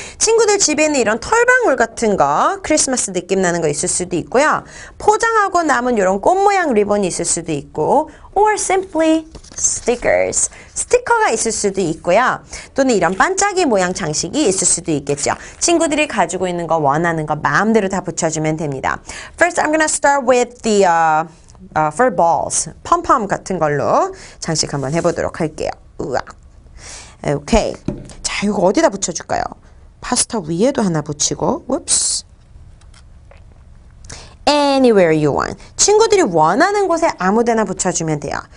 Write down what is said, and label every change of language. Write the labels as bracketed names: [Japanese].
[Korean] 친구들 집에는 이런 털방울 같은 거, 크리스마스 느낌 나는 거 있을 수도 있고요. 포장하고 남은 이런 꽃 모양 리본이 있을 수도 있고, [English] or simply stickers. [Korean] 스티커가 있을 수도 있고요. 또는 이런 반짝이 모양 장식이 있을 수도 있겠죠. 친구들이 가지고 있는 거, 원하는 거 마음대로 다 붙여주면 됩니다. [English] First, I'm gonna start with the fur balls. [Korean] 펌펌 같은 걸로 장식 한번 해보도록 할게요. 우와. 오케이. 자, 이거 어디다 붙여줄까요? 파스타 위에도 하나 붙이고, whoops. [English] Anywhere you want. [Korean] 친구들이 원하는 곳에 아무데나 붙여주면 돼요.